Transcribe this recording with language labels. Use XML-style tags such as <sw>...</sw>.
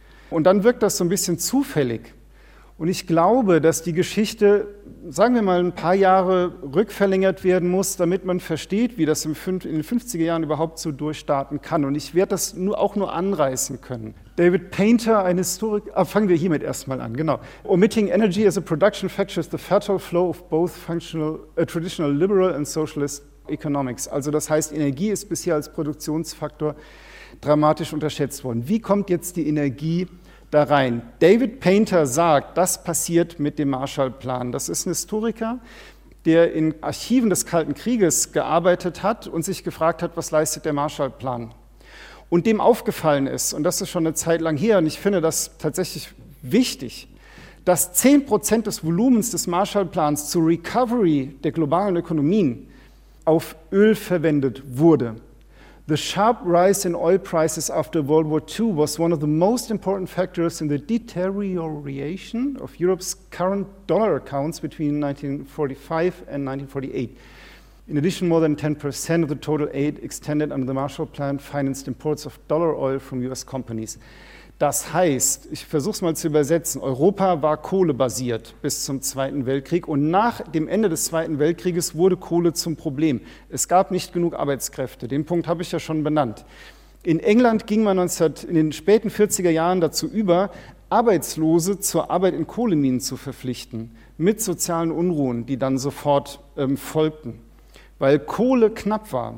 <de>Und dann wirkt das so ein bisschen zufällig. Und ich glaube, dass die Geschichte, sagen wir mal, ein paar Jahre rückverlängert werden muss, damit man versteht, wie das in den 50er Jahren überhaupt so durchstarten kann. Und ich werde das auch nur anreißen können. David Painter, ein Historiker, fangen wir hiermit erstmal an, genau.</de> <en>Omitting energy as a production factor is the fatal flow of both traditional liberal and socialist economics.</en> <de>Also das heißt, Energie ist bisher als Produktionsfaktor dramatisch unterschätzt worden. Wie kommt jetzt die Energie da rein? David Painter sagt, das passiert mit dem Marshallplan. Das ist ein Historiker, der in Archiven des Kalten Krieges gearbeitet hat und sich gefragt hat, was leistet der Marshallplan? Und dem aufgefallen ist, und das ist schon eine Zeit lang her, und ich finde das tatsächlich wichtig, dass 10% des Volumens des Marshallplans zur Recovery der globalen Ökonomien auf Öl verwendet wurde.</de> <en>The sharp rise in oil prices after World War II was one of the most important factors in the deterioration of Europe's current dollar accounts between 1945 and 1948. In addition, more than 10% of the total aid extended under the Marshall Plan financed imports of dollar oil from US companies.</en> <de>Das heißt, ich versuche es mal zu übersetzen, Europa war kohlebasiert bis zum Zweiten Weltkrieg und nach dem Ende des Zweiten Weltkrieges wurde Kohle zum Problem. Es gab nicht genug Arbeitskräfte, den Punkt habe ich ja schon benannt. In England ging man in den späten 40er Jahren dazu über, Arbeitslose zur Arbeit in Kohleminen zu verpflichten, mit sozialen Unruhen, die dann sofort folgten, weil Kohle knapp war.</de>